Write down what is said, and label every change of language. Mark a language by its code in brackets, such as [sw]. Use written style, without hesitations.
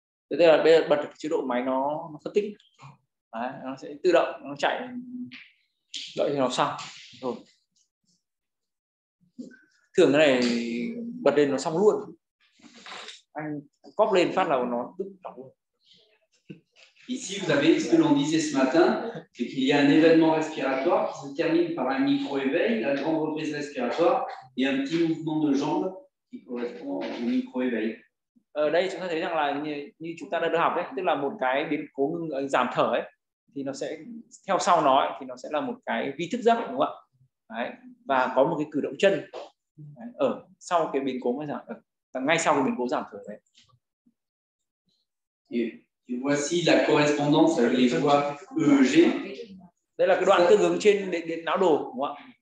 [vi] Thế là bây giờ bật chế độ máy nó phân tích. Đấy, nó sẽ tự động nó chạy, đợi cho nó xong rồi. Thường cái này bật lên nó xong luôn. Anh cóp lên phát là nó tự động luôn. [fr] Ici vous avez ce que l'on disait ce matin, c'est qu'il y a un événement respiratoire qui se termine par un micro-éveil, la grande reprise respiratoire et un petit mouvement de jambe qui correspond au micro-éveil. [vi] Ở đây chúng ta thấy rằng là như chúng ta đã được học ấy, tức là một cái biến cố ngừng giảm thở ấy, thì nó sẽ theo sau nó ấy, thì nó sẽ là một cái vi thức giấc, đúng không ạ? Đấy, và có một cái cử động chân đấy, ở sau cái biến cố mà giảm thở, ngay sau cái biến cố giảm thở đấy. [fr] Et voici la correspondance avec les voies EEG. [vi] Đây là cái đoạn tương ứng trên điện não đồ, đúng không ạ?